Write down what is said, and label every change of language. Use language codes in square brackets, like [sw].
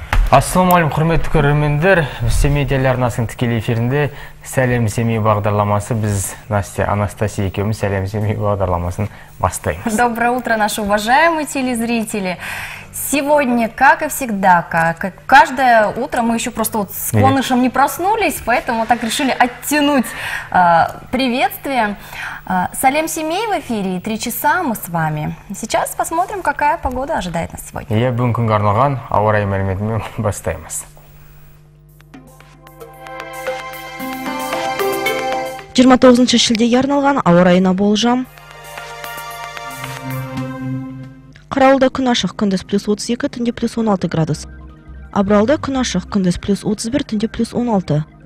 [kk] Ассаламу алейкум, құрметті көрермендер. Семей телеарнасының тікелей эфирінде сәлем семей бағдарламасы. Біз Настя, Анастасия екеуміз сәлем семей бағдарламасын бастаймыз. [ru] Доброе утро, наши уважаемые телезрители. Сегодня, как и всегда, как каждое утро, мы еще просто вот с Конышем не проснулись, поэтому так решили оттянуть приветствие. Салем семей в эфире, и 3 часа мы с вами. Сейчас посмотрим, какая погода ожидает нас сегодня. [kk] Я бүгін күнге арналған ауа райы мәліметімен бастаймыз. 29 шілдеге арналған ауа райына болжам. Қараулда күн ашық, күндіз +32, түнде +16 градус. Абралда күн ашық, күндіз +31, түнде +16.